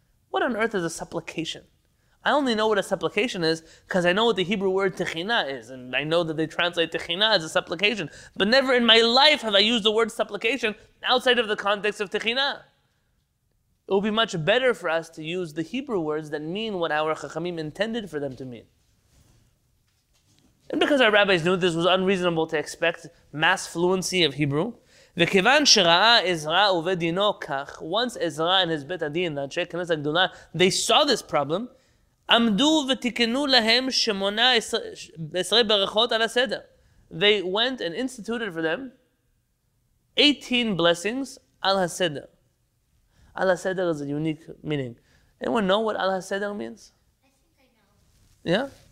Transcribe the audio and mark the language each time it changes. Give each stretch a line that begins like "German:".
English: What on earth is a supplication? I only know what a supplication is because I know what the Hebrew word techina is, and I know that they translate techina as a supplication. But never in my life have I used the word supplication outside of the context of techina. It would be much better for us to use the Hebrew words that mean what our chachamim intended for them to mean. And because our rabbis knew this was unreasonable to expect mass fluency of Hebrew,
Hebrew: וכיוון שראה עזרא ובדינו כך,
English: once עזרא and his בית הדין, אנשי כנס הגדולה, they saw this problem,
Hebrew: עמדו ותיקנו להם שמונה עשרה ברכות על הסדר.
English: They went and instituted for them 18 blessings על הסדר. על הסדר is a unique meaning. Anyone know what על הסדר means? I think I know. Yeah?